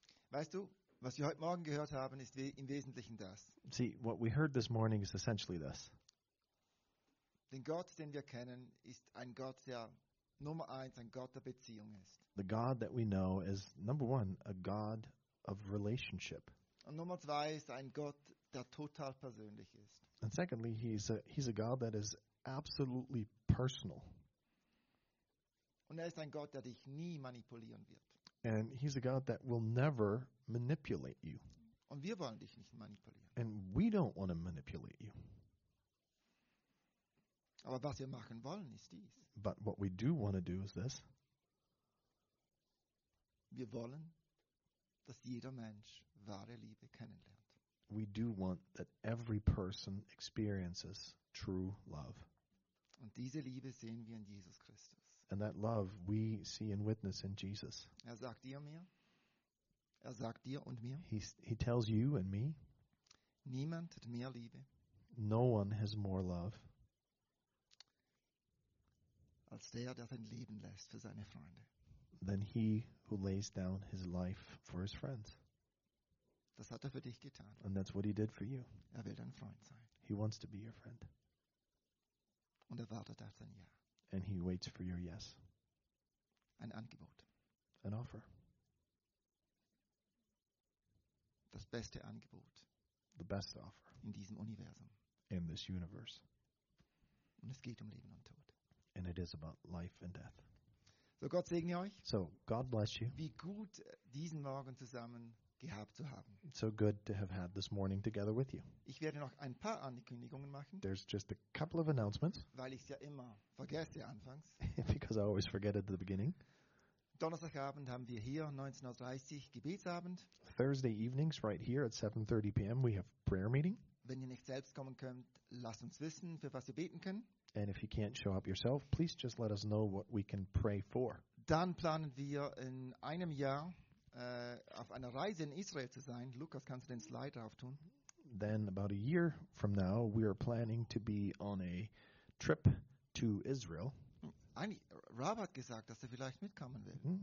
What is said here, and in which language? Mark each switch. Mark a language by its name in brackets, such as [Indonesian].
[German] Weißt du, was wir heute Morgen gehört haben, ist im Wesentlichen das. [English] See, what we heard this morning is essentially this. [German] Den Gott, den wir kennen, ist ein Gott, der Nummer eins ein Gott der Beziehung ist. [English] The God that we know is number one, a God of relationship. [German] Und Nummer zwei ist ein Gott, der total persönlich ist. [English] And secondly, he's a God that is absolutely personal. [German] Und er ist ein Gott, der dich nie manipulieren wird. [English] And he's a God that will never manipulate you. [German] Und wir wollen dich nicht manipulieren. [English] And we don't want to manipulate you. [German] Aber was wir machen wollen, ist dies. [English] But what we do want to do is this. [German] Wir wollen, dass jeder Mensch wahre Liebe kennenlernt. [English] We do want that every person experiences true love. [German] Und diese Liebe sehen wir in Jesus Christus. [English] And that love we see and witness in Jesus. [German] Er sagt dir mir. Er sagt dir und mir. [English] He tells you and me. [German] Niemand hat mehr Liebe. [English] No one has more love. [German] Als der sein Leben lässt für seine Freunde. [English] Than he who lays down his life for his friends. [German] Das hat für dich getan. [English] And that's what he did for you. [German] Er will dein Freund sein. [English] He wants to be your friend. [German] Und wartet auf sein Ja. [English] And he waits for your yes. [German] Ein Angebot. [English] An offer. [German] Das beste Angebot. [English] The best offer. [German] In diesem Universum. [English] In this universe. [German] Und es geht Leben und Tod. [English] And it is about life and death. [German] So Gott segne euch. [English] So God bless you. [German] Wie gut diesen Morgen zusammen gehabt zu haben. [English] It's so good to have had this morning together with you. [German] Ich werde noch ein paar Ankündigungen machen. [English] There's just a couple of announcements. [German] Weil ich es ja immer vergesse anfangs. [English] Because I always forget at the beginning. [German] Donnerstagabend haben wir hier 19:30 Gebetsabend. [English] Thursday evenings right here at 7:30 p.m. we have prayer meeting. [German] Wenn ihr nicht selbst kommen könnt, lasst uns wissen, für was wir beten können. [English] And if you can't show up yourself, please just let us know what we can pray for. [German] Dann planen wir in einem Jahr auf einer Reise in Israel zu sein. Lukas, kannst du den Slide drauf tun? [English] Then about a year from now, we are planning to be on a trip to Israel. [German] Rob hat gesagt, dass er vielleicht mitkommen will.